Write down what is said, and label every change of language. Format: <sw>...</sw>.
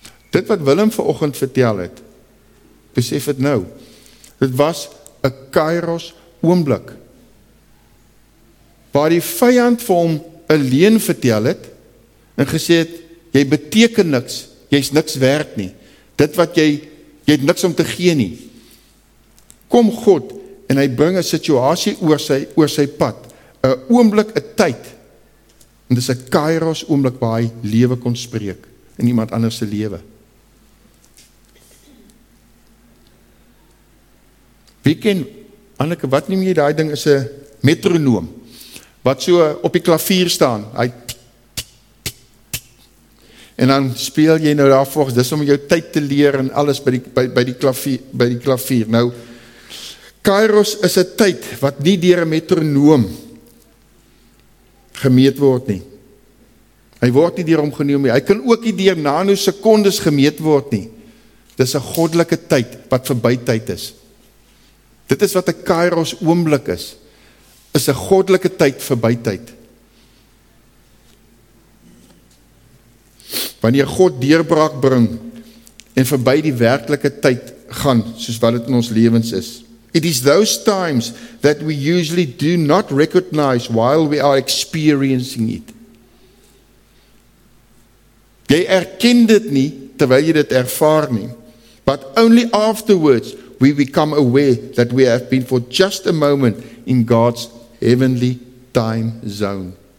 <af>Dit wat Willem vanoggend vertel het, besef het nou, dit was 'n Kairos oomblik, waar die vyand vir hom een leen vertel het, en gesê het, jy beteken niks, jy is niks werd nie, dit wat jy het niks om te gee nie. Kom God, en hy bring een situasie oor sy pad, een oomblik, een tyd, en dis een Kairos oomblik waar hy lewe kon spreek, in iemand anders se lewe. Wie ken, Anneke, wat noem jy die ding, is een metronoom, wat so op die klavier staan, hy tik, tik, tik, en dan speel jy nou daar volgens, dis om jou tyd te leer en alles by die klavier. Nou, Kairos is een tyd wat nie deur een metronoom gemeet word nie. Hy word nie deur hom genoem nie. Hy kan ook nie deur nanosekondes gemeet word nie. Dis een goddelike tyd wat verby tyd is. Dit is wat 'n Kairos oomblik is. Is 'n goddelike tyd verby tyd. Wanneer God deurbraak bring en verby die werklike tyd gaan soos wat dit in ons lewens is.</af> <en>It is those times that we usually do not recognize while we are experiencing it.</en> <af>Jy erken dit nie terwyl jy dit ervaar nie.</af> <en>But only afterwards we become aware that we have been for just a moment in God's heavenly time zone.</en>